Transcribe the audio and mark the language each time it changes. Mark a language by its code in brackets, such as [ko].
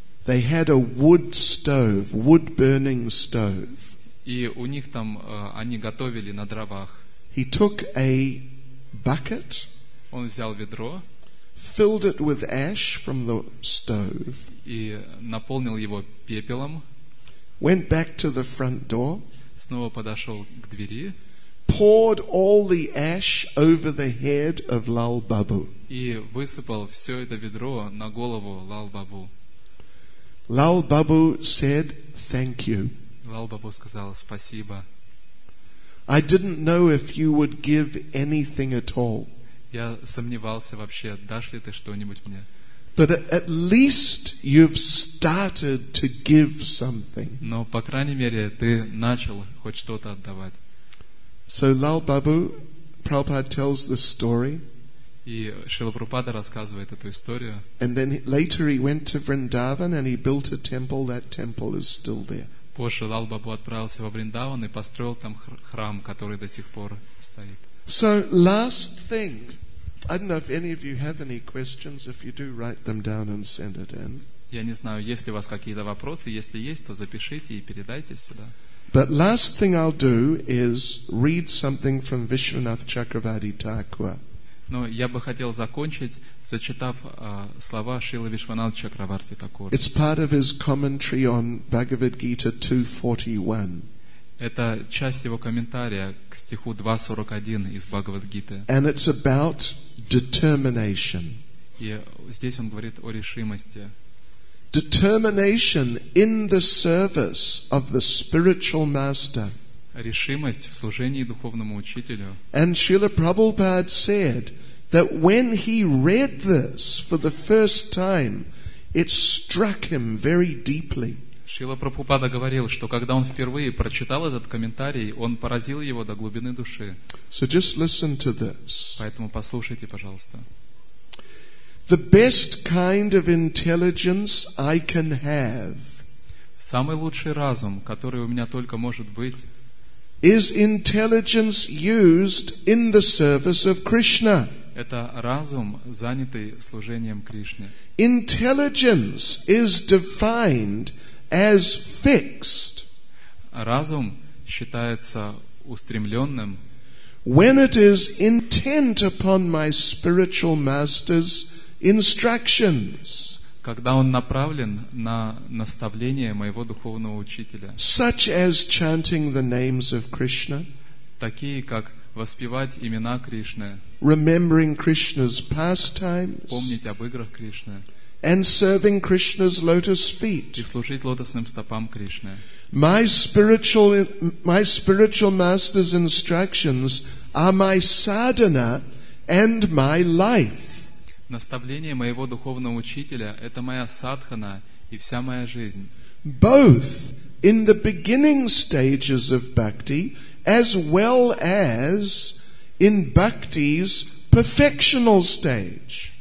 [en] They had a wood stove, wood burning stove. [ru] И у них там они готовили на дровах. [en] He took a bucket. [ru] Он взял ведро. [en] Filled it with ash from the stove. [ru] И наполнил его пепелом. [en] Went back to the front door. [ru] Снова подошел к двери. [en] Poured all the ash over the head of Lal Babu. [ru] И высыпал все это ведро на голову Лал Бабу. [en] Lal Babu said, "Thank you." [ru] Лал Бабу сказал, спасибо. [en] I didn't know if you would give anything at all. [ru] Я сомневался вообще, дашь ли ты что-нибудь мне. [en] But at least you've started to give something. [ru] Но, по крайней мере, ты начал хоть что-то отдавать. [en] So Lal Babu, Prabhupada tells the story. [ru] И Шрила Прабхупада рассказывает эту историю. [en] And then later he went to Vrindavan and he built a temple. That temple is still there. [ru] Позже Лал Бабу отправился во Вриндаван и построил там храм, который до сих пор стоит. [en] So, last thing. I don't know if any of you have any questions. If you do, write them down and send it in. [ru] Я не знаю, есть ли у вас какие-то вопросы. Если есть, то запишите и передайте сюда. [en] But last thing I'll do is read something from Vishwanath Chakravarti Thakur. [ru] Но я бы хотел закончить, зачитав слова Шрилы Вишванатха Чакраварти Такура. [en] It's part of his commentary on Bhagavad Gita 2.41. [ru] Это часть его комментария к стиху 2.41 из Бхагавад Гиты. [en] And it's about determination. [ru] И здесь он говорит о решимости. [en] Determination in the service of the spiritual master. [ru] Решимость в служении духовному учителю. [en] And Srila Prabhupada said that when he read this for the first time, it struck him very deeply. [ru] Шрила Прабхупада говорил, что когда он впервые прочитал этот комментарий, он поразил его до глубины души. [en] So just listen to this. [ru] Поэтому послушайте, пожалуйста. [en] The best kind of intelligence I can have. [ru] Самый лучший разум, который у меня только может быть. [en] Is intelligence used in the service of Krishna? [ru] Это разум, занятый служением Кришне. [en] Intelligence is defined as fixed. [ru] Разум считается устремленным. [en] When it is intent upon my spiritual master's instructions. [ru] Когда он направлен на наставление моего духовного учителя. [en] Such as chanting the names of Krishna. [ru] Такие, как воспевать имена Кришны. [en] Remembering Krishna's pastimes. [ru] Помнить об играх Кришны. [en] And serving Krishna's lotus feet. [ru] И служить лотосным стопам Кришны. [en] My spiritual master's instructions are my sadhana and my life. [ru] Наставление моего духовного учителя — это моя садхана и вся моя жизнь. [en] Both in the beginning stages of bhakti, as well as in bhakti's perfectional stage.